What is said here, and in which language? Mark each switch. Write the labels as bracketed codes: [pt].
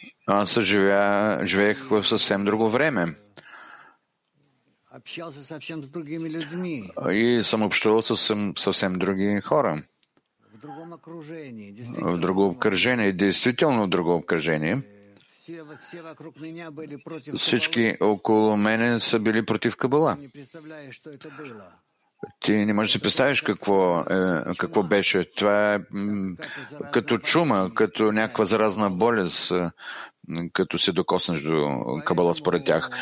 [bg] Аз живеех в съвсем друго време. [ru] Общался совсем с другими людьми. [bg] И съм общувал с съвсем други хора. [ru] В другом окружении. [bg] В друго обкръжение. Действително в друго обкръжение. [ru] Все вокруг меня были против [bg] Кабала. Всички около мене са били против Кабала. [ru] Не представляешь, что это было. [bg] Ти не можеш да си представиш какво беше. Това е като чума, като някаква заразна болест, като се докоснеш до Кабала според тях.